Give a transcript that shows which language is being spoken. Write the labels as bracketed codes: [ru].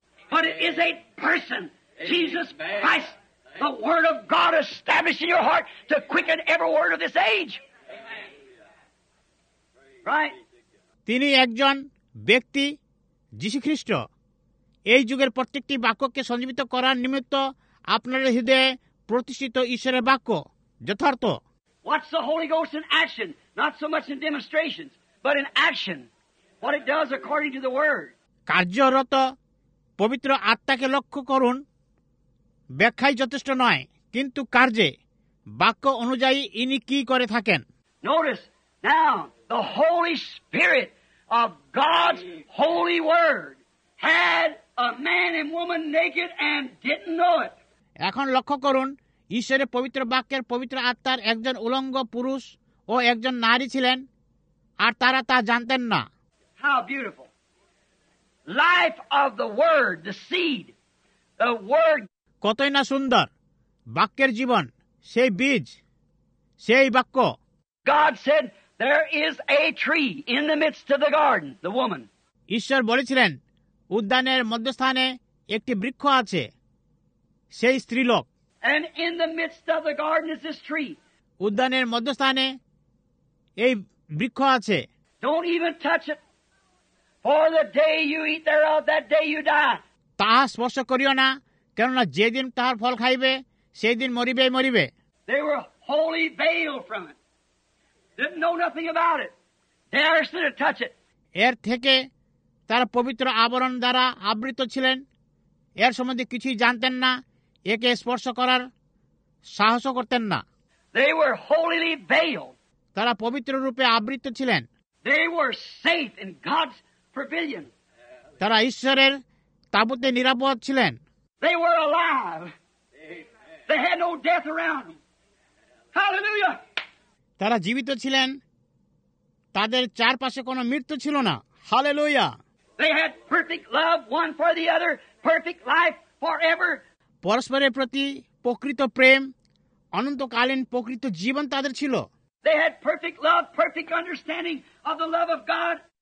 [en] But it is a person, Jesus Christ, the word of God established in your heart to quicken every word of this age. Right? [bn] তিনি একজন ব্যক্তি যীশু খ্রিস্ট এই যুগের প্রত্যেকটি বাক্যকে সঞ্জীবিত করার নিমিত্ত আপনার হৃদয়ে প্রতিষ্ঠিত ঈশ্বরের বাক্য যথার্থ [en] What's the Holy Ghost in action? Not so much in demonstrations, but in action. What it does according to the word. [bn] কার্যরত পবিত্র আত্মাকে লক্ষ্য করুন ব্যাখ্যাই যথেষ্ট নয় কিন্তু কার্যে বাক্য অনুযায়ী ইনি কি করে থাকেন [en] Notice, now, the Holy Spirit of God's holy word had a man and woman naked and didn't know it. [bn] এখন লক্ষ্য করুন ঈশ্বরের পবিত্র বাক্যের পবিত্র আত্মার একজন উলঙ্গ পুরুষ ও একজন নারী ছিলেন আর তারা তা জানতেন না [en] How beautiful. Life of the word, the seed, the word. [bn] কতই না সুন্দর বাক্যের জীবন সেই বীজ সেই বাক্য [en] God said, there is a tree in the midst of the garden, the woman. [bn] ঈশ্বর বলেছিলেন উদ্যানের মধ্যস্থানে একটি বৃক্ষ আছে সেই স্ত্রীলোক [en] And in the midst of the garden is this tree. [bn] উদ্যানের মধ্যস্থানে এই বৃক্ষ আছে [en] Don't even touch it. For the day you eat thereof, that day you die. [bn] তাহা স্পর্শ করিও না কেননা যেদিন তাহার ফল খাইবে সেই দিন মরিবে মরিবে [en] They were wholly veiled from it. Didn't know nothing about it. Dared to touch it. [bn] এর থেকে তার পবিত্র আবরণ দ্বারা আবৃত ছিলেন এর সম্বন্ধে কিছুই জানতেন না একে স্পর্শ করার সাহস করতেন না [en] They were wholly veiled. [bn] তারা পবিত্র রূপে আবৃত ছিলেন [en] They were safe in God's pavilion. [bn] তারা ঈশ্বরের তাঁবুতে নিরাপদ ছিলেন [en] They were alive. They had no death around them. Hallelujah. [bn] তারা জীবিত ছিলেন তাদের চারপাশে কোনো মৃত্যু ছিল না hallelujah [en] They had perfect love one for the other, perfect life forever. [bn] পরস্পরের প্রতি প্রকৃত প্রেম অনন্তকালীন প্রকৃত জীবন তাদের ছিল [en] They had perfect love, perfect understanding of the love of God.